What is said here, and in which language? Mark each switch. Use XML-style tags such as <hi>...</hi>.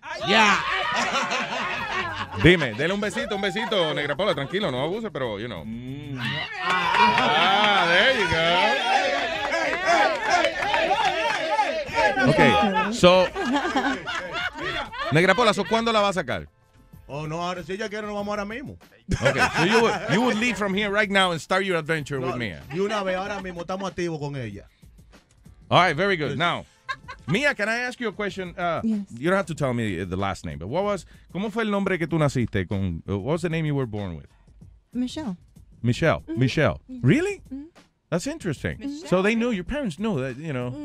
<es>¡Ya!</es> <en>Yeah.</en> <es>Dime, dele un besito, Negra Paula, tranquilo, no abuse, pero,</es> <en>you know. Ah, there you go. Ok, so,</en> <es>Negra Paula, so, ¿cuándo la va a sacar? Oh, no, ahora si ella quiere, nos vamos ahora mismo.</es> <en>Okay, so you would leave from here right now and start your adventure with Mia.</en> <es>Y una vez, ahora mismo, estamos activos con ella.</es> <en>All right, very good. Now, Mia, can I ask you a question? Yes. You don't have to tell me the last name, but</en> <es>¿cómo fue el nombre que tú naciste?</es> <en>What was the name you were born with? Michelle. Michelle. Mm-hmm. Michelle. Mm-hmm. Really? Mm-hmm. That's interesting. Michelle. So they knew, your parents knew that, you know.</en>